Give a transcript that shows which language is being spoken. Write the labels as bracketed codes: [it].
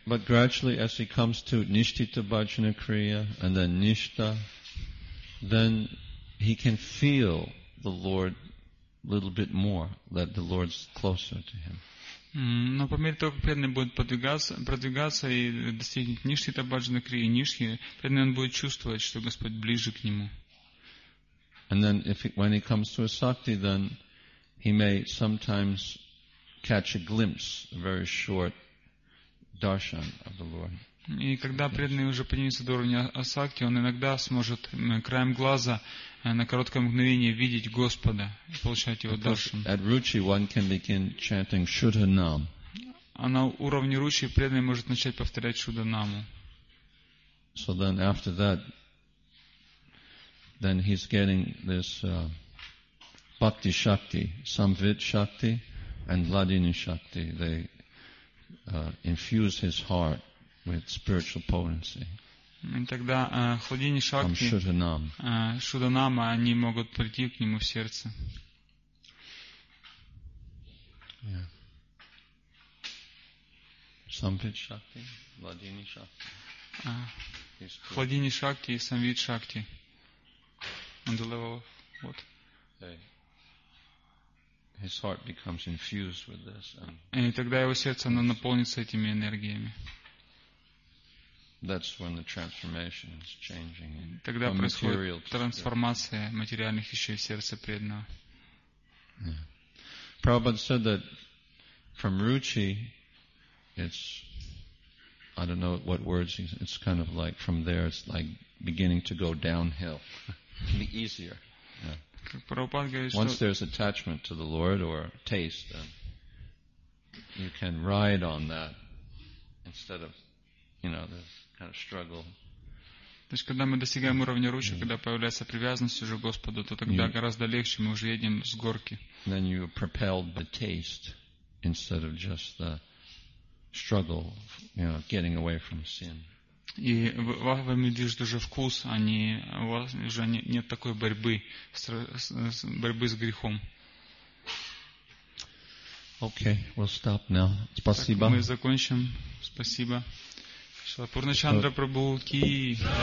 [en] But gradually, as he comes to Nishtita Bhajana Kriya and then Nishta, then he can feel the Lord a little bit more, that the Lord's closer to him. [ru] Но по мере того, как преданный будет продвигаться и достигнет нишки Таббаджана Крии, нишки, преданный он будет чувствовать, что Господь ближе к нему. [en] And then when he comes to a sakti, then he may sometimes catch a glimpse, a very short darshan of the Lord. [ru] И когда преданный уже поднимется до уровня асакти, он иногда сможет краем глаза на короткое мгновение видеть Господа и получать его даршан. [en] At Ruchi one can begin chanting Shuddhanam. [ru] А на уровне Ручи преданный может начать повторять Шуддханаму. [en] So then after that, then he's getting this bhakti shakti, samvit shakti, and ladini shakti. They infuse his heart with spiritual potency. [ru] И тогда хладини шакти, шуданама, они могут прийти к нему в сердце. Самвит шакти, ладини шакти. Хладини шакти и самвит шакти. [en] On the level of what? His heart becomes infused with this. [ru] И тогда его сердце, оно наполнится этими энергиями. [en] That's when the transformation is changing. [ru] Тогда происходит трансформация материальных вещей в сердце преданного. [en] Prabhupada said that from Ruchi, it's, I don't know what words, it's kind of like from there, it's like beginning to go downhill. Be easier. Once there's attachment to the Lord or taste, then you can ride on that instead of, you know, this kind of struggle. [ru] То есть, когда мы достигаем уровня ручья, когда появляется привязанность уже к Господу, то тогда гораздо легче, мы уже едем с горки. [en] Then you propel the taste instead of just the struggle, you know, getting away from sin. [ru] И вами движет уже вкус, а не у вас уже нет такой борьбы с грехом. [en] Okay, we'll stop now. [ru] Спасибо. Так, мы закончим. Спасибо. Шалапурна Чандра Прабху Ки.